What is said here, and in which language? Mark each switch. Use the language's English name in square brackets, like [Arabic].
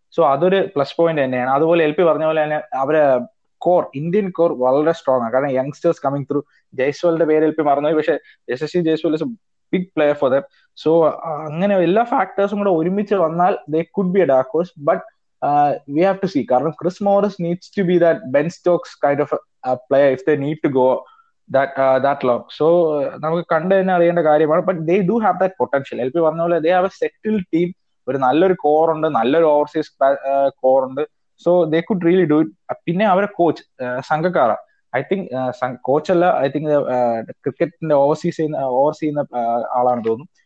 [Malayalam] So അതൊരു plus point തന്നെയാണ്. അതുപോലെ എൽ പി പറഞ്ഞ പോലെ തന്നെ അവരെ കോർ, ഇന്ത്യൻ കോർ വളരെ സ്ട്രോങ് ആണ്. കാരണം യങ്സ്റ്റേഴ്സ് കമ്മിങ് ത്രൂ. ജയ്സ്വാളിന്റെ പേര് എൽ പി പറഞ്ഞു, പക്ഷേ Yashasvi Jaiswal [English] Is a big player for them. [Malayalam] So അങ്ങനെ എല്ലാ ഫാക്ടേഴ്സും കൂടെ ഒരുമിച്ച് വന്നാൽ [English] They could be a dark horse. [Malayalam] But [English] we have to see. Karan, Chris Morris needs to be that Ben Stokes kind of a player if they need to go that long. [Malayalam] So, നമുക്ക് കണ്ടു തന്നെ അറിയേണ്ട കാര്യമാണ്. [English] But they do have that potential. [Malayalam] L P പറഞ്ഞ പോലെ [English] They have a settled team. [Malayalam] ഒരു നല്ലൊരു core ഉണ്ട്, നല്ലൊരു ഓവർസീസ് കോർ ഉണ്ട്. [English] So they could really do it. [Malayalam] പിന്നെ അവരെ coach Sangakkara, I think coach അല്ല, ഐ തിങ്ക് ക്രിക്കറ്റിന്റെ ഓവർസീ ചെയ്യുന്ന ആളാണ് തോന്നുന്നു.